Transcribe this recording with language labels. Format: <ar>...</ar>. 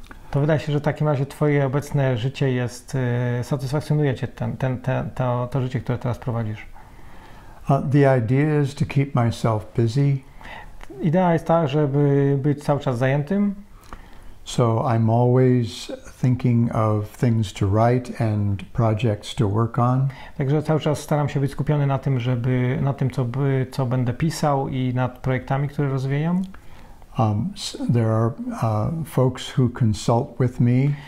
<pl>To wydaje się, że w takim razie twoje obecne życie jest satysfakcjonuje cię to życie, które teraz prowadzisz.</pl> <en>The idea is to keep myself busy.</en> <pl>Idea jest ta, żeby być cały czas zajętym.</pl> <en>So I'm always thinking of things to write and projects to work on.</en> <pl>Także cały czas staram się być skupiony na tym, co będę pisał i nad projektami, które rozwijam.</pl> <en>There are folks who consult with me.</en>